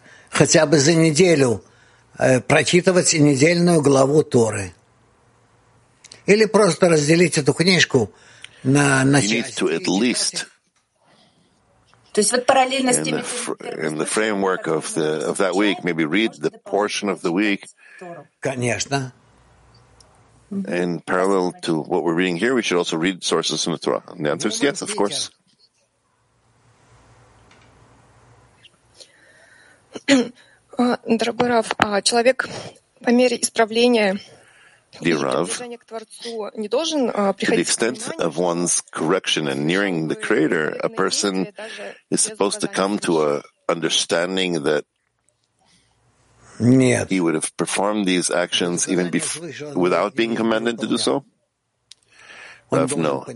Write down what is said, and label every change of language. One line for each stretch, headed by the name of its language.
Russian: Хотя бы за неделю прочитывать недельную главу Торы. Или просто разделить эту книжку на части.
English: You need to at least...
Russian: То есть вот параллельно с теми...
English: In the framework of that week, maybe read the portion of the week.
Russian: Конечно.
English: In parallel to what we're reading here, we should also read sources in the Torah. And the answer is yes, of course.
Russian: Дорогой Рав, человек по мере исправления приближения к Творцу не должен приходить.
English: To the extent of one's correction and nearing the Creator, a person is supposed to come to a understanding that he would have performed these actions even without being commanded to do so. Rav, no.